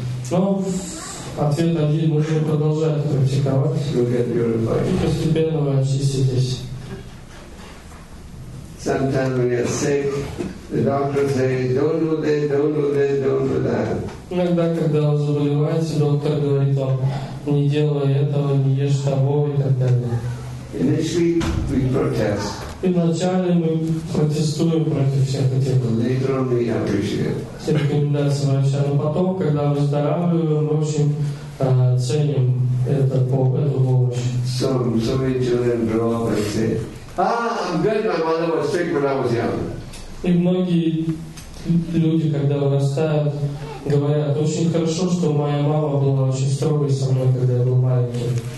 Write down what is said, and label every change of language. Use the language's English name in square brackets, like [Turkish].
[Russian] Но ответ один, нужно продолжать практиковать и постепенно вы очиститесь. [English] Sometimes when you're sick, the doctor says, don't do this, don't do this, don't do that. [Russian] Иногда, когда вы заболеваете, доктор говорит вам, не делай этого, не ешь того и так далее. [English] Initially we protest. [Russian] И вначале мы протестуем против всех этих. [English] Later on we appreciate. [Russian] Все рекомендации врача. Но потом, когда мы выздоравливаем, мы очень ценим это, эту помощь. [English] So many children grow up and say, I'm good, my mother was sick when I was young. [Russian] И многие люди, когда вырастают, говорят, очень хорошо, что моя мама была очень строгой со мной, когда я был маленьким.